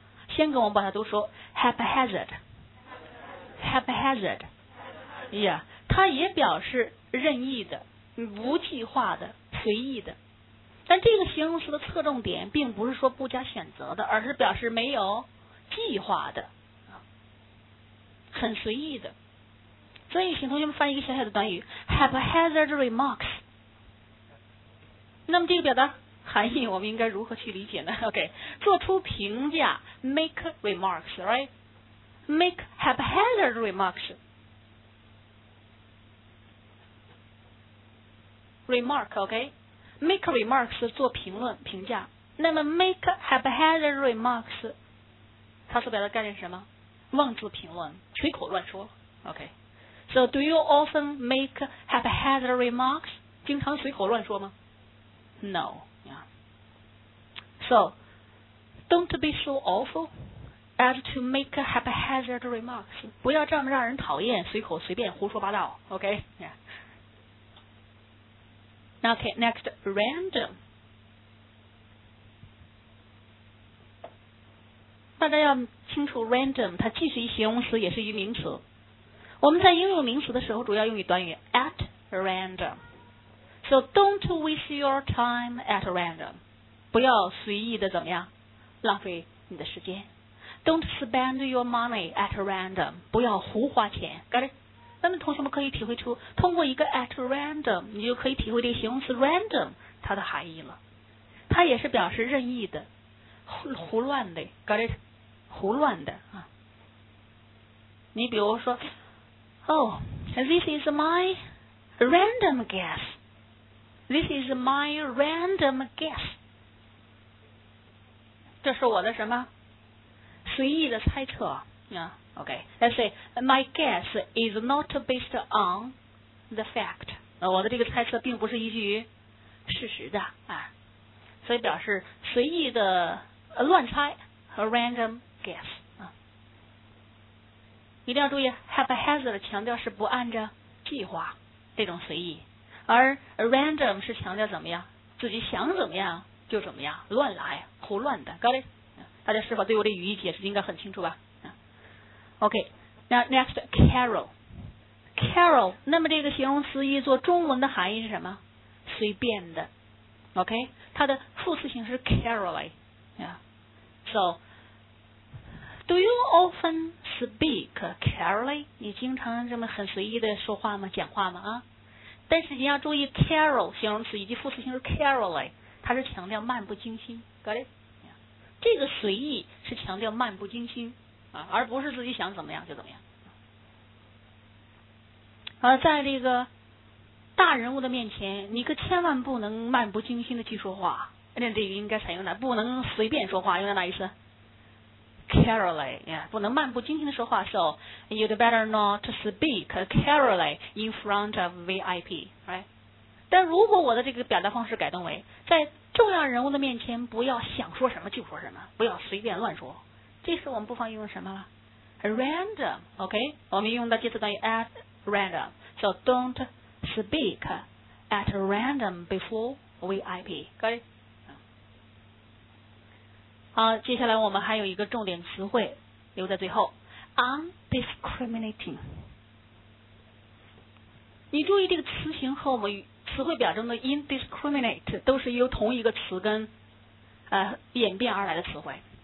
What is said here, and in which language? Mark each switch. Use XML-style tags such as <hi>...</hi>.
<zh>先跟我们把它读说 haphazard， haphazard， yeah， 它也表示任意的、无计划的、随意的，但这个形容词的侧重点并不是说不加选择的，而是表示没有计划的，很随意的。所以请同学们翻译一个小小的短语 haphazard remarks。那么这个表达含义我们应该如何去理解呢？</zh> <en>OK，</en> <zh>做出评价</zh> <en>make remarks， right？ make haphazard remarks， remark， OK， make remarks</en> <zh>做评论评价。那么 make haphazard remarks它所表达的概念是什么？妄自评论，随口乱说。</zh> <en>OK， so do you often make haphazard remarks？</en> <zh>经常随口乱说吗 ？</zh> <en>No， yeah。 So don't be so awful as to make haphazard remarks。</en> <zh>不要这么让人讨厌，随口随便胡说八道。</zh> <en>OK， yeah。 OK， next random。</en> <zh>大家要清楚 random 它既是一形容词也是一名词。我们在应用名词的时候主要用于短语 at random，</zh> <en>so don't waste your time at random，</en> <zh>不要随意的怎么样浪费你的时间。</zh> <en>don't spend your money at random，</en> <zh>不要胡花钱。</zh> <en>got it？</en> <zh>那么同学们可以体会出通过一个 at random， 你就可以体会这个形容词 random 它的含义了。它也是表示任意的、胡乱的。</zh> <en>got it？</en> <zh>胡乱的啊。</zh> <en>你比如说 oh this is my random guess， this is my random guess，</en> <zh>这是我的什么随意的猜测啊。</zh> <en>OK， let's say my guess is not based on the fact，</en> <zh>我的这个猜测并不是依据于事实的啊。所以表示随意的乱猜和 random guess 啊，一定要注意 haphazard 强调是不按着计划这种随意，而 random 是强调怎么样自己想怎么样就怎么样，乱来胡乱的。</zh> <en>got it？</en> <zh>大家是否对我的语义解释应该很清楚吧？</zh> <en>OK， now next carol， carol，</en> <zh>那么这个形容词译作中文的含义是什么？随便的。 OK， 它的副词形式 caroling。</zh> <en>So, do you often speak carelessly?</en> <zh>你经常这么很随意的说话吗？讲话吗？啊？但是你要注意 careless 形容词以及副词形式 carelessly， 它是强调漫不经心。</zh> <en>Got it？</en> <zh>这个随意是强调漫不经心啊，而不是自己想怎么样就怎么样。而在这个大人物的面前，你可千万不能漫不经心的去说话。那这个应该采用哪？不能随便说话，用在哪一次？ carelessly， 不能漫不经心的说话。</zh> <en>So you'd better not speak carelessly in front of VIP， right？</en> <zh>但如果我的这个表达方式改动为在重要人物的面前不要想说什么就说什么，不要随便乱说，这时我们不妨用什么了？</zh> <en>Random， OK？</en> <zh>我们用的介词短语</zh> <en>at random， so don't speak at random before VIP， got it？</en> <zh>好，接下来我们还有一个重点词汇留在最后， undiscriminating。你注意这个词形和我们词汇表中的 indiscriminate 都是由同一个词根演变而来的词汇。</zh>